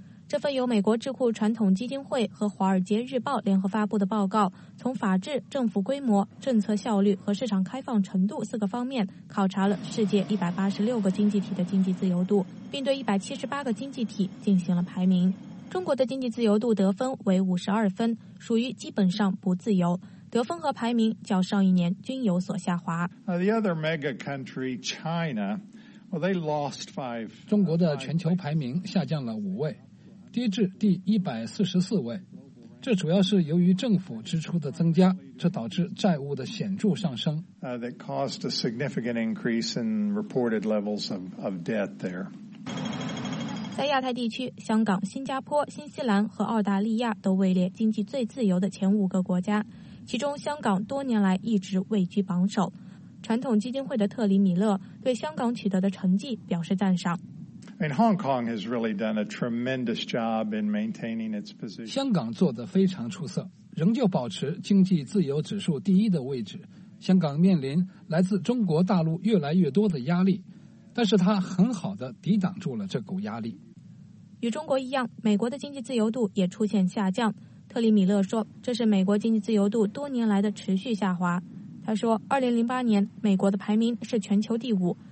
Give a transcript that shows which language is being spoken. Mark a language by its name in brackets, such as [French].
[Chinese] 这份由美国智库传统基金会和华尔街日报联合发布的报告，从法治、政府规模、政策效率和市场开放程度四个方面考察了世界186个经济体的经济自由度，并对178个经济体进行了排名。中国的经济自由度得分为52分，属于基本上不自由，得分和排名较上一年均有所下滑。 [English] The other mega country, China, well, they lost five. [Chinese] 中国的全球排名下降了5位，跌至第144位。这主要是由于政府支出的增加，这导致债务的显著上升。 [English] That caused a significant increase in reported levels of debt there. [Chinese] 在亚太地区，香港、新加坡、新西兰和澳大利亚都位列经济最自由的前5个国家，其中香港多年来一直位居榜首。传统基金会的特里米勒对香港取得的成绩表示赞赏。 [English] Hong Kong has really done a tremendous job in maintaining its position. [Chinese] 香港做得非常出色，仍旧保持经济自由指数第一的位置。香港面临来自中国大陆越来越多的压力，但是他很好地抵挡住了这股压力。与中国一样，美国的经济自由度也出现下降。特里米勒说，这是美国经济自由度多年来的持续下滑。他说，2008年美国的排名是全球第5，